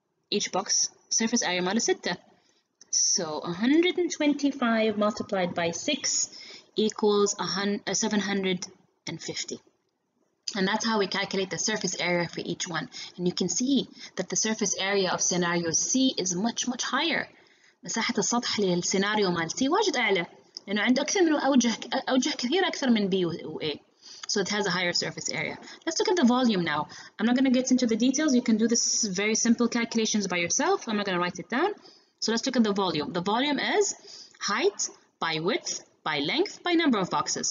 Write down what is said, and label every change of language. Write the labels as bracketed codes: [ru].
[en] Each box surface area ماله 6. So 125 multiplied by 6 equals 750. And that's how we calculate the surface area for each one. And you can see that the surface area of scenario C is much, much higher. [ar] مساحة السطح للسيناريو مال C واجد أعلى. لأنه عنده أكثر من أوجه كثيرة أكثر من B و A. [en] So it has a higher surface area. Let's look at the volume now. I'm not going to get into the details. You can do this very simple calculations by yourself. I'm not going to write it down. So let's look at the volume. The volume is height by width by length by number of boxes.